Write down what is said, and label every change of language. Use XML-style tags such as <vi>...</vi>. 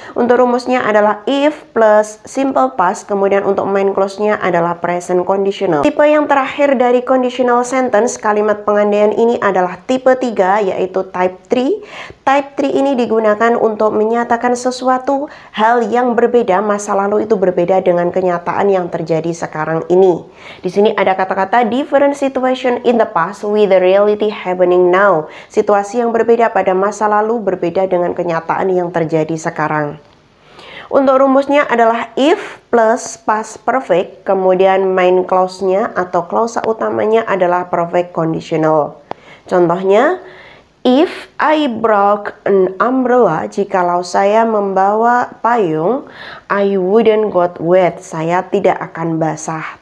<id>Untuk rumusnya adalah if plus simple past, kemudian untuk main clause-nya adalah present conditional. Tipe yang terakhir dari conditional sentence, kalimat pengandaian ini adalah tipe 3, yaitu type 3. Type 3 ini digunakan untuk menyatakan sesuatu hal yang berbeda, masa lalu itu berbeda dengan kenyataan yang terjadi sekarang ini. Di sini ada kata-kata</id> <en>different situation in the past with the reality happening now.</en> <id>Situasi yang berbeda pada masa lalu berbeda dengan kenyataan yang terjadi sekarang. Untuk rumusnya adalah if plus past perfect, kemudian main clause-nya atau klausa utamanya adalah perfect conditional. Contohnya,</id> <en>if I broke an umbrella,</en> <id>jikalau saya membawa payung,</id> <en>I wouldn't got wet,</en> <id>saya tidak akan basah.</id>